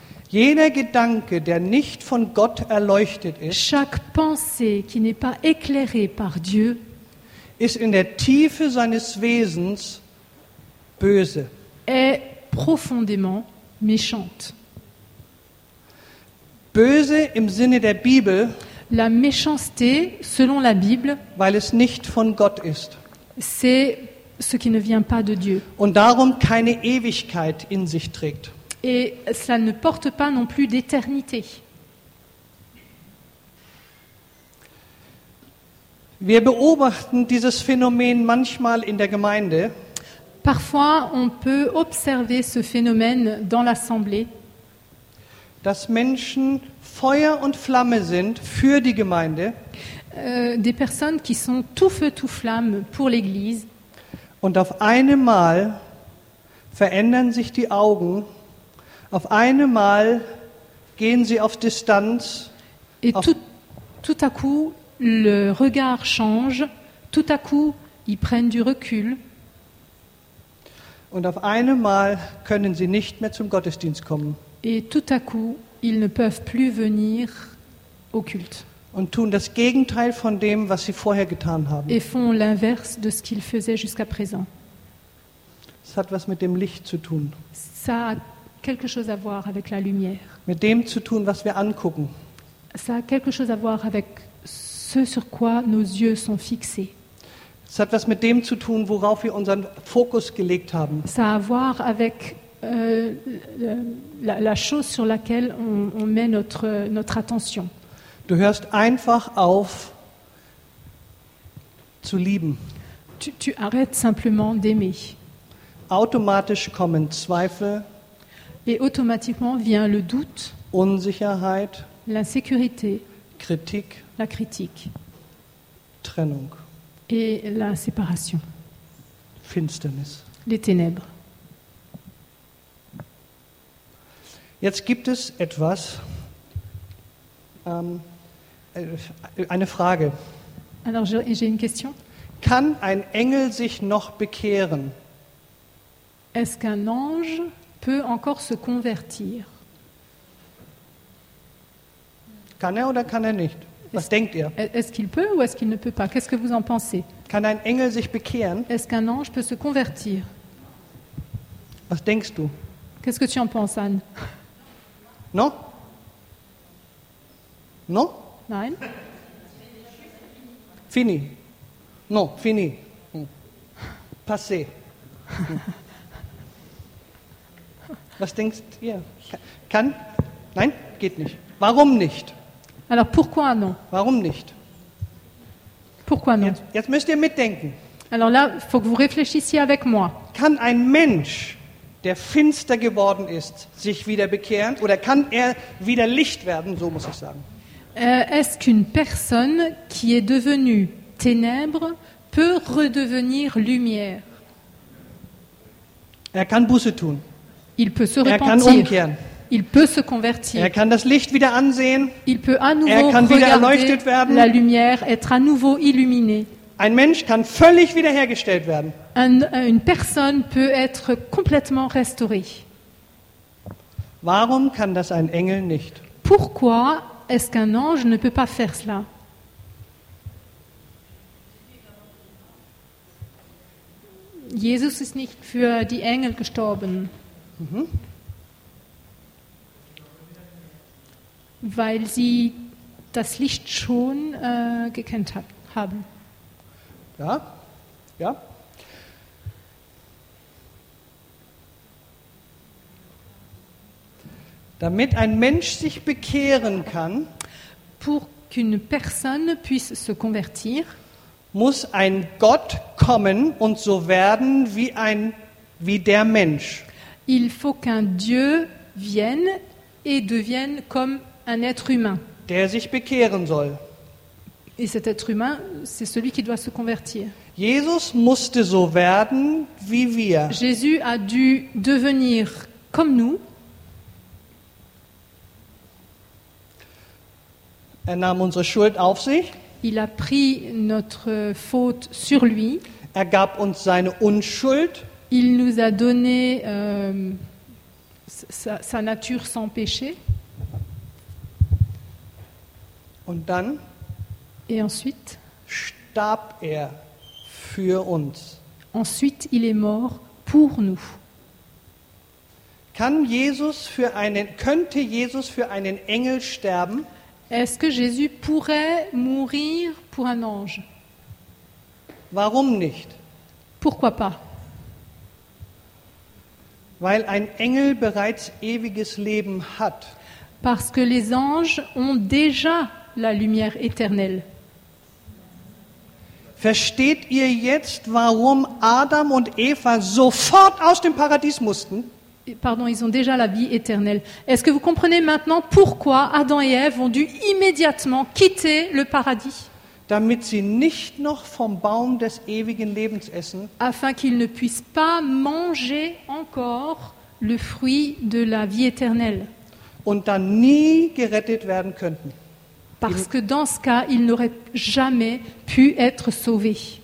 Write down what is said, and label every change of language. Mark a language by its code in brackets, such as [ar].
[de] Jeder Gedanke, der nicht von Gott erleuchtet ist, [fr] chaque pensée qui n'est pas éclairée par Dieu, [de] ist in der Tiefe seines Wesens böse. [fr] Est profondément méchante. [de] Böse im Sinne der Bibel. [fr] La méchanceté, selon la Bible, [de] weil es nicht von Gott ist. [fr] C'est ce qui ne vient pas de Dieu. [de] Und darum keine Ewigkeit in sich trägt. [fr] Et cela ne porte pas non plus d'éternité. [de] Wir beobachten dieses Phänomen manchmal in der Gemeinde. [fr] Parfois, on peut observer ce phénomène dans l'assemblée. [de] Dass Menschen Feuer und Flamme sind für die Gemeinde. [fr] Des personnes qui sont tout feu tout flamme pour l'église. [de] Und auf einmal verändern sich die Augen. Auf einmal gehen sie auf Distanz. [fr] Et tout à coup, le regard change, tout à coup, ils prennent du recul. [de] Und auf einmal können sie nicht mehr zum Gottesdienst kommen. [fr] Et tout à coup, ils ne peuvent plus venir au culte. [de] Und tun das Gegenteil von dem, was sie vorher getan haben. [fr] Et font l'inverse de ce qu'ils faisaient jusqu'à présent. [de] Das hat was mit dem Licht zu tun. [fr] Ça a quelque chose à voir avec la lumière. [de] Mit dem zu tun, was wir angucken. [fr] Ça a quelque chose à voir avec ce sur quoi nos yeux sont fixés. Ça a [de] was mit dem zu tun, worauf wir unseren Fokus gelegt haben. [fr] Ça a à voir avec la chose sur laquelle on met notre attention. [de] Du hörst einfach auf, zu lieben. [fr] Tu arrêtes simplement d'aimer. [de] Automatisch kommen Zweifel. [fr] Et automatiquement vient le doute. [de] Unsicherheit. [fr] L'insécurité. [de] Kritik. [fr] La critique. [de] Trennung. [fr] Et la séparation. [de] Finsternis. [fr] Les ténèbres. [de] Jetzt gibt es etwas, eine Frage. [fr] Alors, j'ai une question. [de] Kann ein Engel sich noch bekehren? [fr] Est-ce qu'un ange peut encore se convertir? [de] Kann er oder kann er nicht? Was denkt ihr? [fr] Est-ce qu'il peut ou est-ce qu'il ne peut pas? Qu'est-ce que vous en pensez? [de] Kann ein Engel sich bekehren? [fr] Est-ce qu'un ange peut se convertir? [de] Was denkst du? [fr] Qu'est-ce que tu en penses, Anne? Non? Non? [de] Nein. [fr] Fini. Non, fini. Passé. [de] Was denkst ihr? Kann? Nein, geht nicht. Warum nicht? [fr] Alors pourquoi non? [de] Warum nicht? [fr] Pourquoi non? [de] Jetzt müsst ihr mitdenken. [fr] Alors là, faut que vous réfléchissiez avec moi. [de] Kann ein Mensch, der finster geworden ist, sich wieder bekehren, oder kann er wieder Licht werden, so muss ich sagen. [fr] Est-ce qu'une personne qui est devenue ténèbre peut redevenir lumière? [de] Er kann Buße tun. [fr] Il peut se repentir. [de] Er kann umkehren. [fr] Il peut se convertir. [de] Er kann das Licht wieder ansehen. [fr] Il peut à nouveau [de] er kann wieder erleuchtet werden. [fr] La lumière, être à nouveau illuminé. [de] Ein Mensch kann völlig wiederhergestellt werden. [fr] Une personne peut être complètement restaurée. [de] Warum kann das ein Engel nicht? [fr] Pourquoi est-ce qu'un ange ne peut pas faire cela? [de] Jesus ist nicht für die Engel gestorben. Mhm. Weil sie das Licht schon gekannt haben. Ja, ja. Damit ein Mensch sich bekehren kann, [fr] pour qu'une personne puisse se convertir, [de] muss ein Gott kommen und so werden wie ein wie der Mensch. [fr] Il faut qu'un Dieu vienne et devienne comme un être humain. [de] Der sich bekehren soll. [fr] Et cet être humain, c'est celui qui doit se convertir. [de] Jesus musste so werden wie wir. [fr] Jésus a dû devenir comme nous. [de] Er nahm unsere Schuld auf sich. [fr] Il a pris notre faute sur lui. [de] Er gab uns seine Unschuld. [fr] Il nous a donné sa nature sans péché. [de] Und dann? [fr] Et ensuite, [de] starb er für uns. [fr] Ensuite, il est mort pour nous. [de] Könnte Jesus für einen Engel sterben? [fr] Est-ce que Jésus pourrait mourir pour un ange? [de] Warum nicht? [fr] Pourquoi pas? [de] Weil ein Engel bereits ewiges Leben hat. [fr] Parce que les anges ont déjà la lumière éternelle. [de] Versteht ihr jetzt, warum Adam und Eva sofort aus dem Paradies mussten? [fr] Pardon, ils ont déjà la vie éternelle. Est-ce que vous comprenez maintenant pourquoi Adam et Ève ont dû immédiatement quitter le paradis? [de] Damit sie nicht noch vom Baum des ewigen Lebens essen. [fr] Afin qu'ils ne puissent pas manger encore le fruit de la vie éternelle. [de] Und dann nie gerettet werden könnten. [fr] Parce que dans ce cas, ils n'auraient jamais pu être sauvés.